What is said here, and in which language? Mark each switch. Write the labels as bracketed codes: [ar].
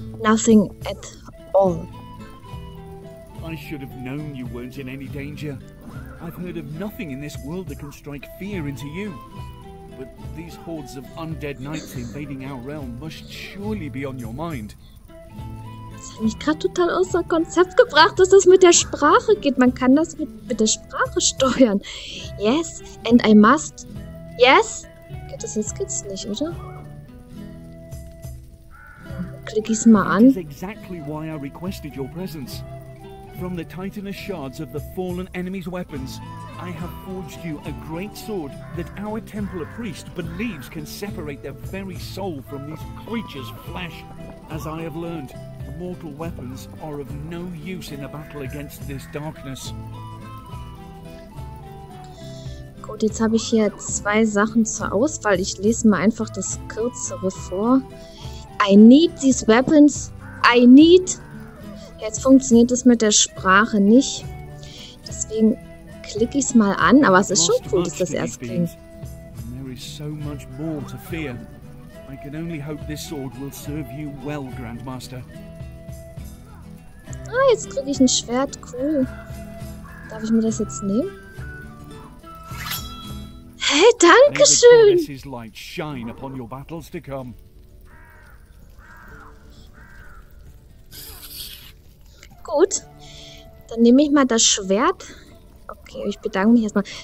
[en] Nothing at all. I should have known you weren't in any danger. I've heard of nothing in this world that can strike fear into you. But these hordes of undead knights invading our realm must surely be on your mind. [de] Das hat mich gerade total außer Konzept gebracht, dass das mit der Sprache geht. Man kann das mit der Sprache steuern. [en] Yes, and I must. Yes? [de] Geht das jetzt geht's nicht, oder? Klick ich's mal an. [en] That is exactly why I requested your presence. From the titanous shards of the fallen enemy's weapons, I have forged you a great sword that our Templar priest believes can separate their very soul from these creatures' flesh. As I have learned, mortal weapons are of no use in a battle against this darkness. [de] Gut, jetzt habe ich hier zwei Sachen zur Auswahl. Ich lese mal einfach das kürzere vor. [en] I need these weapons. I need... [de] Jetzt funktioniert es mit der Sprache nicht. Deswegen klicke ich es mal an, aber es ist schon cool, dass das erst klingt. [en] And there is so much more to fear. I can only hope this sword will serve you well, Grandmaster. [de] Ah, jetzt kriege ich ein Schwert, cool. Darf ich mir das jetzt nehmen? Hey, danke schön. [en] May the goddess' light shine upon your battles to come. [de] Gut, dann nehme ich mal das Schwert. Okay, ich bedanke mich erstmal.